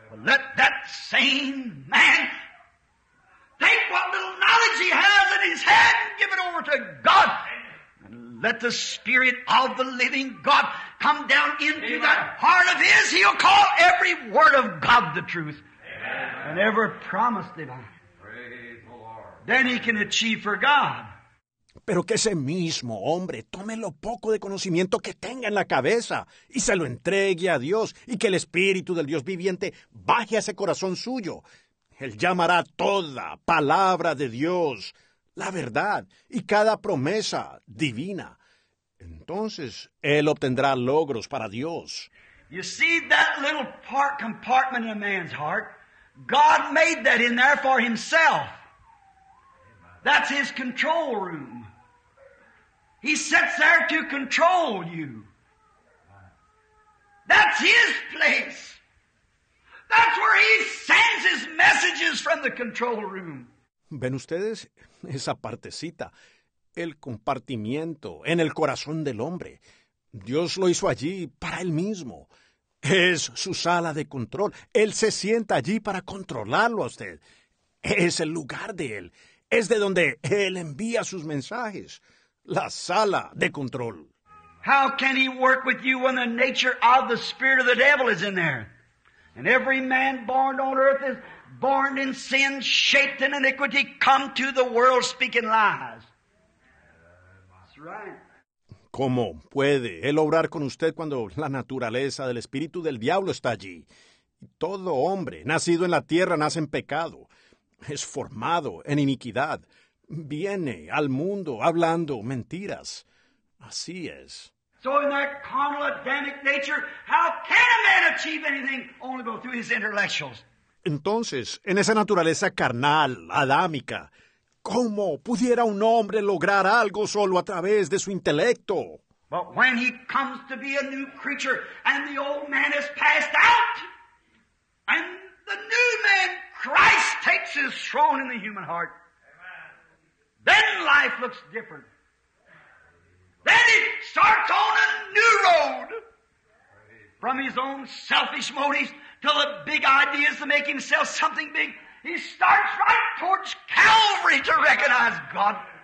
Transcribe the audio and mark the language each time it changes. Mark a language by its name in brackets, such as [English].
[English] Let that same man take what little knowledge he has in his head and give it over to God. And let the Spirit of the living God come down into Amen. That heart of his. He'll call every word of God the truth. Amen. And every promise divine. Praise the Lord. Then he can achieve for God. [Spanish] Pero que ese mismo hombre tome lo poco de conocimiento que tenga en la cabeza y se lo entregue a Dios, y que el Espíritu del Dios viviente baje a ese corazón suyo. Él llamará toda palabra de Dios la verdad y cada promesa divina. Entonces, él obtendrá logros para Dios. [English] You see that little part compartment in a man's heart? God made that in there for himself. That's his control room. He sits there to control you. That's his place. That's where he sends his messages from the control room. [Spanish] ¿Ven ustedes esa partecita? El compartimiento en el corazón del hombre. Dios lo hizo allí para él mismo. Es su sala de control. Él se sienta allí para controlarlo a usted. Es el lugar de él. Es de donde él envía sus mensajes. La sala de control. [English] How can he work with you when the nature of the spirit of the devil is in there? And every man born on earth is born in sin, shaped in iniquity, come to the world speaking lies. That's right. [Spanish] ¿Cómo puede él obrar con usted cuando la naturaleza del espíritu del diablo está allí? Todo hombre nacido en la tierra nace en pecado. Es formado en iniquidad. Viene al mundo hablando mentiras. Así es. [English] So in that carnal Adamic nature, how can a man achieve anything only go through his intellectuals? [Spanish] Entonces, en esa naturaleza carnal, adámica, ¿cómo pudiera un hombre lograr algo solo a través de su intelecto? [English] But when he comes to be a new creature and the old man has passed out, and the new man, Christ, takes his throne in the human heart, then life looks different. Then he starts on a new road. From his own selfish motives to the big ideas to make himself something big, he starts right towards Calvary to recognize God.